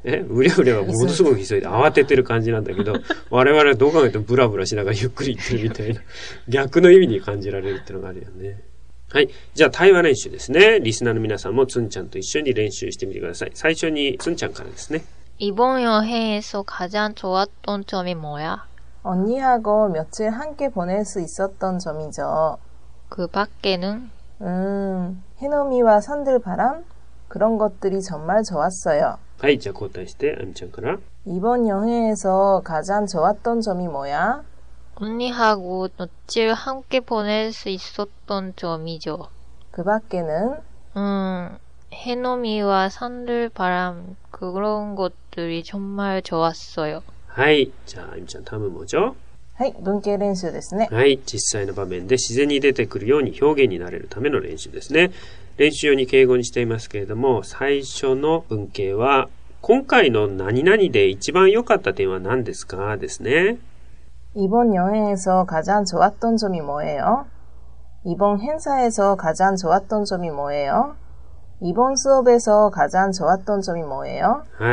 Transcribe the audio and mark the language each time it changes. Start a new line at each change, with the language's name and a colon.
Japanese: え、ブリャブリャはものすごく急いで慌ててる感じなんだけど、我々はどう考えてもブラブラしながらゆっくり言ってるみたいな、逆の意味に感じられるっていうのがあるよね。はい。じゃあ、対話練習ですね。リスナーの皆さんも、つんちゃんと一緒に練習してみてください。最初に、つんちゃんからですね。
Korean: 이번여행에서가장좋았던점이뭐야 언니하고며칠함께보낼수있었던점이죠。 그밖에는 해넘이와산들바람그런것들이정말좋았어요。
Japanese: はい。じゃあ、交代して、あみちゃんから。
Korean: 이번여행에서가장좋았던점이뭐야 언니하고 며칠 함께 보낼 수 있었던 점이죠. 그 밖에는? 해놈이와 산들바람 그런 것들이 정말 좋았어요.
Japanese: はい、じゃあ、あゆみちゃん、タイム뭐죠? はい、文型練習ですね。はい、実際の場面で自然に出てくるように表現になれるための練習ですね。練習用に敬語にしていますけれども、 最初の文型は、今回の何々で一番良かった点は何ですか? ですね。
Korean: 이번 여행에서 가장 좋았던 점이 뭐예요? 이번 행사에서 가장 좋았던 점이 뭐예요? 이번 수업에서 가장 좋았던 점이 뭐예요?